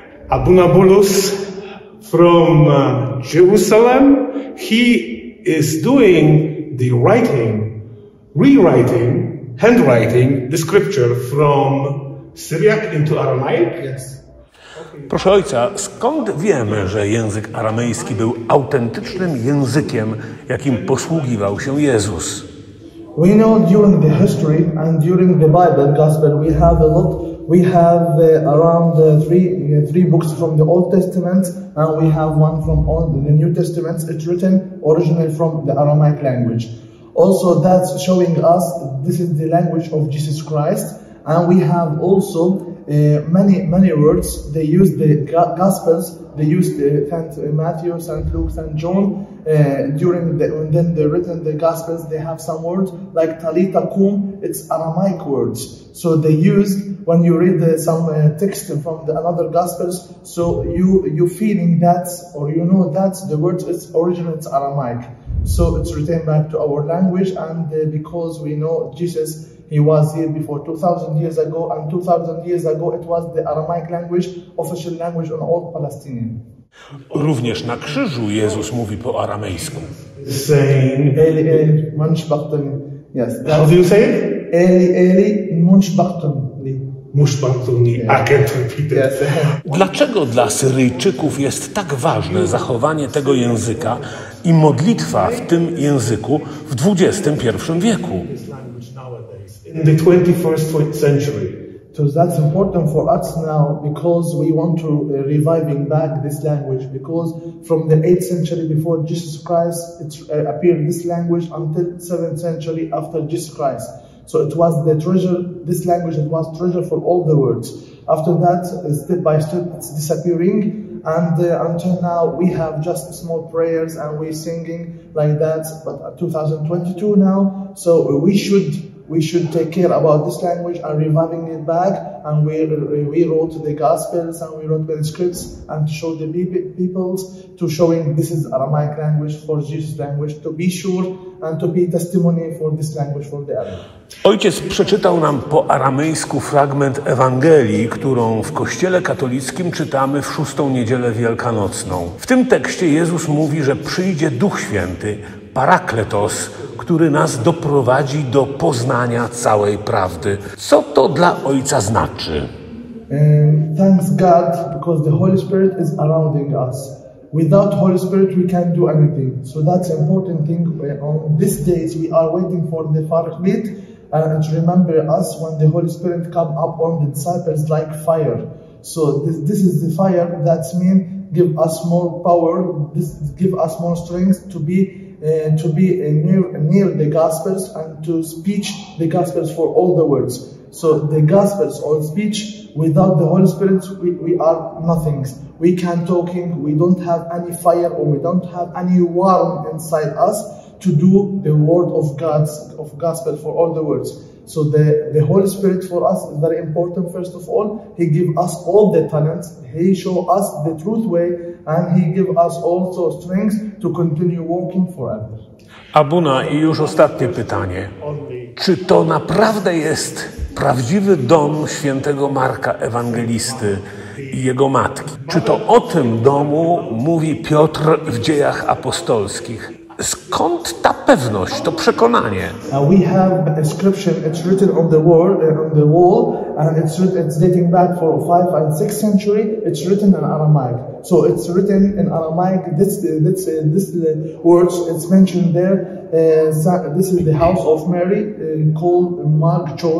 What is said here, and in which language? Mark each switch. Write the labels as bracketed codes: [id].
[en] Abuna Bulus from Jerusalem, he is doing the writing, rewriting, handwriting the scripture from Syriac into Aramaic. Yes. [pl] Proszę Ojca, skąd wiemy, że język aramejski był autentycznym językiem, jakim posługiwał się Jezus? [en] We know during the history and during the Bible, Gospel, we have a lot. We have around three books from the Old Testament, and we have one from all the New Testament. It's written originally from the Aramaic language. Also, that's showing us this is the language of Jesus Christ. And we have also many words. They use the Gospels. They use the Saint Matthew, Saint Luke, Saint John. When they written the Gospels, they have some words like Talita Kum. It's Aramaic words. So they use when you read some text from the another Gospels. So you feeling that or you know that the words is originally Aramaic. So it's written back to our language, and because we know Jesus. He was here before 2,000 years ago, and 2,000 years ago it was the Aramaic language, official language on all Palestinian. [pl] Również na krzyżu Jezus mówi po aramejsku. [en] Saying [arc] Eli Eli Munchbachtun. [en] Yes. How do you say it? [arc] Eli Eli Munchbachtunli. [en] Munchbachtunli. Yeah. I can't repeat it. Yes. [pl] Dlaczego dla Syryjczyków jest tak ważne zachowanie tego języka i modlitwa w tym języku w XXI wieku? [en] In the 21st century. So that's important for us now because we want to reviving back this language because from the 8th century before Jesus Christ it appeared this language until 7th century after Jesus Christ. So it was the treasure, this language it was treasure for all the world. After that, step by step, it's disappearing And until now we have just small prayers and we singing like that, but 2022 now, so we should take care about this language and reviving it back. And we wrote the Gospels and we wrote the scripts and show the peoples, to showing this is Aramaic language for Jesus language, to be sure and to be testimony for this language for the other. [pl] Ojciec przeczytał nam po aramejsku fragment Ewangelii, którą w Kościele katolickim czytamy w szóstą niedzielę wielkanocną. W tym tekście Jezus mówi, że przyjdzie Duch Święty, Parakletos, który nas doprowadzi do poznania całej prawdy. Co to dla Ojca znaczy? [en] Thanks God, because the Holy Spirit is surrounding us. Without Holy Spirit, we can't do anything. So that's important thing. On these days, we are waiting for the Paraclete. And to remember us when the Holy Spirit come up on the disciples like fire. So this is the fire that means give us more power, this give us more strength to be near the Gospels and to speech the Gospels for all the words. So the Gospels or speech, without the Holy Spirit, we are nothing. We can't talking, we don't have any fire or we don't have any warmth inside us to do the word of God's of gospel for all the words. So the Holy Spirit for us is very important. First of all, He give us all the talents, He show us the truth way, and He give us also strength to continue walking forever. [pl] Abuna, i już ostatnie pytanie. Czy to naprawdę jest prawdziwy dom świętego Marka Ewangelisty i jego matki? Czy to o tym domu mówi Piotr w Dziejach Apostolskich? Skąd ta pewność, to przekonanie? [en] We have an inscription, it's written on the wall, and it's dating back for 5th and 6th century, it's written in Aramaic. So it's written in Aramaic, this words, it's mentioned there, this is the house of Mary, called Mark.